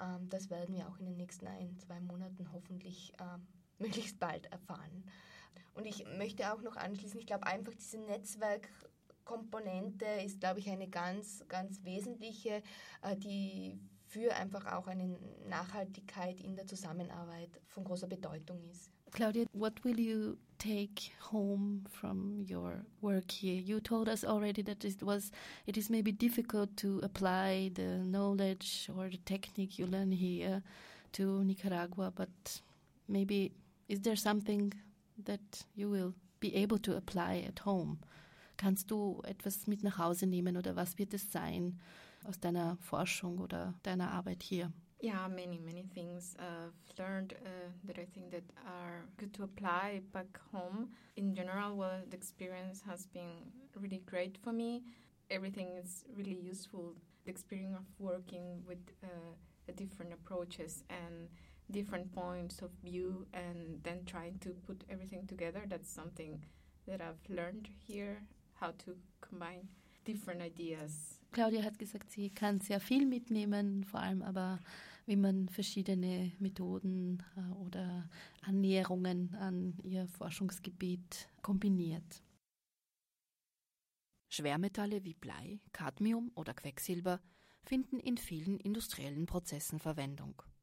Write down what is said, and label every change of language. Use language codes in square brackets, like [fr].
[de] Das werden wir auch in den nächsten 1-2 Monaten hoffentlich möglichst bald erfahren. Und ich möchte auch noch anschließen, ich glaube einfach diese Netzwerkkomponente ist, glaube ich, eine ganz, ganz wesentliche, die für einfach auch eine Nachhaltigkeit in der Zusammenarbeit von großer Bedeutung ist. [en] Claudia, what will you take home from your work here? You told us already that it is maybe difficult to apply the knowledge or the technique you learn here to Nicaragua, but maybe is there something that you will be able to apply at home? [de] Kannst du etwas mit nach Hause nehmen oder was wird es sein aus deiner Forschung oder deiner Arbeit hier? [en] Yeah, many, many things I've learned that I think that are good to apply back home. In general, well, the experience has been really great for me. Everything is really useful. The experience of working with different approaches and different points of view and then trying to put everything together, that's something that I've learned here, how to combine different ideas. [de] Claudia hat gesagt, sie kann sehr viel mitnehmen, vor allem aber wie man verschiedene Methoden oder Annäherungen an ihr Forschungsgebiet kombiniert. Schwermetalle wie Blei, Cadmium oder Quecksilber finden in vielen industriellen Prozessen Verwendung.